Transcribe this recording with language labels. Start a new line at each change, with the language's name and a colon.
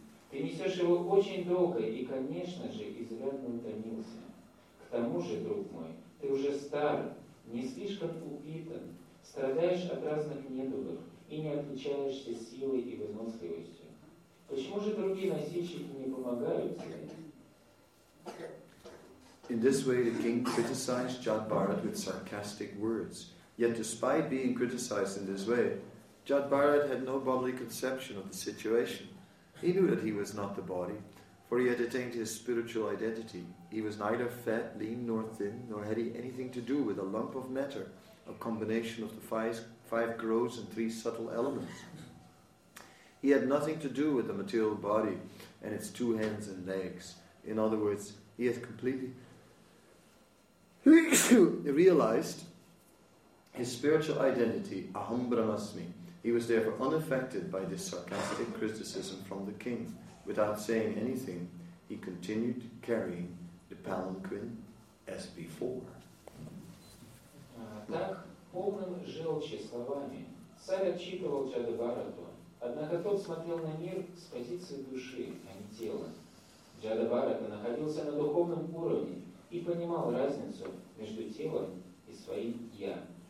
Russian: Ты несешь его очень долго и, конечно же, изрядно утомился. К тому же, друг мой, ты уже стар, не слишком упитан, страдаешь от разных недугов и не отличаешься силой и выносливостью. Почему же другие носильщики не помогают тебе?"
English: In this way, the king criticized Jat Bharat with sarcastic words. Yet despite being criticized in this way, Jat Bharat had no bodily conception of the situation. He knew that he was not the body, for he had attained his spiritual identity. He was neither fat, lean, nor thin, nor had he anything to do with a lump of matter, a combination of the five gross and three subtle elements. He had nothing to do with the material body and its two hands and legs. In other words, he had completely realized his spiritual identity, Aham Brahmasmi. He was therefore unaffected by this sarcastic criticism from the king. Without saying anything, he continued carrying the palanquin as before.
Russian: Так, полным желчи словами, царь отчитывал Джадабарату, однако тот смотрел на мир с позиции души, а не тела. Джадабарата находился на духовном уровне и понимал разницу между телом и своим «я».